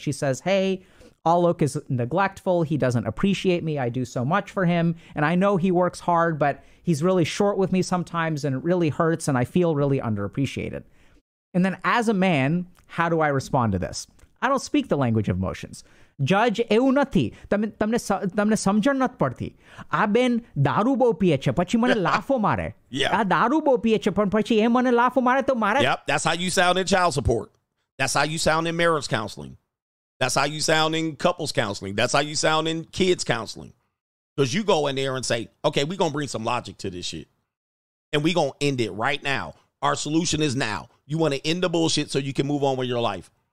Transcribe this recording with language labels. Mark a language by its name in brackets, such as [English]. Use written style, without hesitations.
[English] She says, hey, Alok is neglectful. He doesn't appreciate me. I do so much for him. And I know he works hard, but he's really short with me sometimes and it really hurts and I feel really underappreciated. And then as a man, how do I respond to this? I don't speak the language of emotions. [Gujarati] Judge એવું નથી તમને તમને સમજણ નથી પડતી આ બેન દારૂ બહુ પીએ છે પછી મને લાફો મારે આ દારૂ બહુ પીએ છે પણ પછી એ મને લાફો મારે તો મારે [English] Yep, that's how you sound in child support. That's how you sound in marriage counseling. That's how you sound in couples counseling. That's how you sound in kids counseling. Because you go in there and say, okay, we're going to bring some logic to this shit. And we're going to end it right now. Our solution is now. You want to end the bullshit so you can move on with your life.